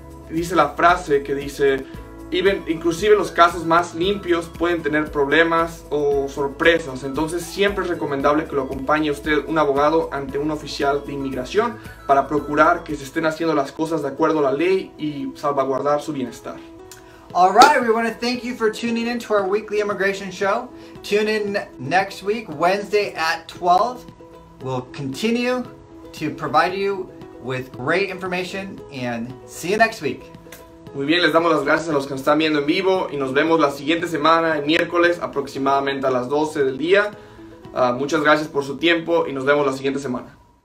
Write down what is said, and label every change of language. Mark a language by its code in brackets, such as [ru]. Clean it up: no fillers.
[es] Dice la frase que dice, inclusive los casos más limpios pueden tener problemas o sorpresas. Entonces siempre es recomendable que lo acompañe usted un abogado ante un oficial de inmigración para procurar que se estén haciendo las cosas de acuerdo a la ley y salvaguardar su bienestar. [en] All right, we want to thank you for tuning in to our weekly immigration show. Tune in next week, Wednesday at 12. We'll continue to provide you with great information and see you next week. [es] Muy bien, les damos las gracias a los que nos están viendo en vivo y nos vemos la siguiente semana, el miércoles, aproximadamente a las 12 del día. Muchas gracias por su tiempo y nos vemos la siguiente semana.